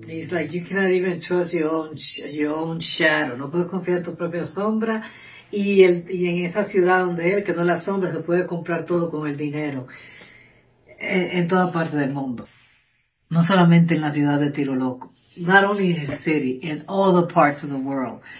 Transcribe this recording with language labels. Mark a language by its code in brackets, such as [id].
[en] Like you cannot even trust your own shadow. [es] No puedes confiar en tu propia sombra. Y en esa ciudad donde él, que no es la sombra, se puede comprar todo con el dinero. En toda parte del mundo. No solamente en la ciudad de Tiro Loco. [en] Not only in his city, in all the parts of the world.